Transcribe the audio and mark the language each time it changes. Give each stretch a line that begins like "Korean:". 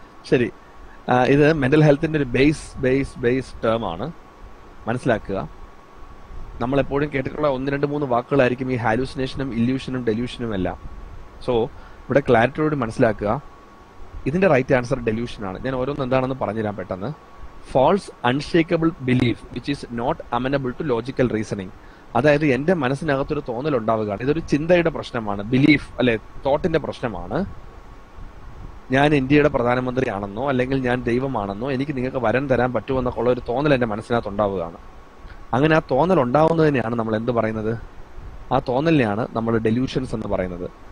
Malayalam: ശരി, ഇത് മെന്റൽ ഹെൽത്തിൻ്റെ ഒരു ബേസ് ബേസ് ബേസ് ടേം ആണ്, മനസ്സിലാക്കുക. നമ്മളെപ്പോഴും കേട്ടിട്ടുള്ള ഒന്ന് രണ്ട് മൂന്ന് വാക്കുകളായിരിക്കും ഈ ഹാലുസിനേഷനും ഇല്യൂഷനും ഡെല്യൂഷനും എല്ലാം. സോ ഇവിടെ ക്ലാരിറ്റിയോട് മനസ്സിലാക്കുക, ഇതിൻ്റെ റൈറ്റ് ആൻസർ ഡെല്യൂഷനാണ്. ഞാൻ ഓരോന്ന് എന്താണെന്ന് പറഞ്ഞുതരാം പെട്ടെന്ന്.
English: False unshakable belief which is not amenable to logical reasoning.
Malayalam: അതായത് എന്റെ മനസ്സിനകത്തൊരു തോന്നൽ ഉണ്ടാവുക, ഇതൊരു ചിന്തയുടെ പ്രശ്നമാണ്, ബിലീഫ് അല്ലെ, തോട്ടിന്റെ പ്രശ്നമാണ്. ഞാൻ ഇന്ത്യയുടെ പ്രധാനമന്ത്രിയാണെന്നോ അല്ലെങ്കിൽ ഞാൻ ദൈവമാണെന്നോ എനിക്ക് നിങ്ങൾക്ക് വരം തരാൻ പറ്റുമെന്നൊക്കെയുള്ള ഒരു തോന്നൽ എന്റെ മനസ്സിനകത്ത് ഉണ്ടാവുകയാണ്. അങ്ങനെ ആ തോന്നൽ ഉണ്ടാവുന്നതിനെയാണ് നമ്മൾ എന്ത് പറയുന്നത്, ആ തോന്നലിനെയാണ് നമ്മൾ ഡെല്യൂഷൻസ് എന്ന് പറയുന്നത്.